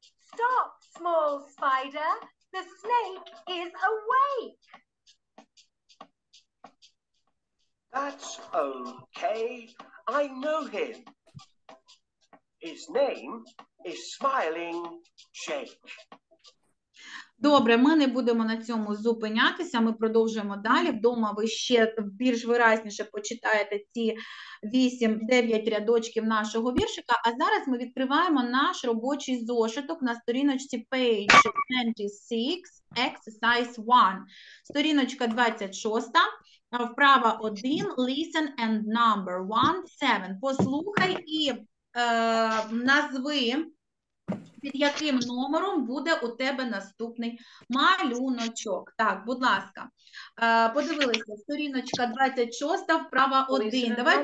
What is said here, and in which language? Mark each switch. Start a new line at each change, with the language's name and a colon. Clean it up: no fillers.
English: "Stop, small spider! The snake is awake!" "That's okay, I know him. His name is Smiling Jake."
Ukrainian: Добре, ми не будемо на цьому зупинятися, ми продовжуємо далі. Вдома ви ще більш виразніше почитаєте ці 8-9 рядочків нашого віршика. А зараз ми відкриваємо наш робочий зошиток на сторіночці page 26, exercise 1. Сторіночка 26, вправа 1,
English: listen and number 1-7.
Ukrainian: Послухай і назви. Під яким номером буде у тебе наступний малюночок? Так, будь ласка, подивилися, сторіночка 26, вправа 1.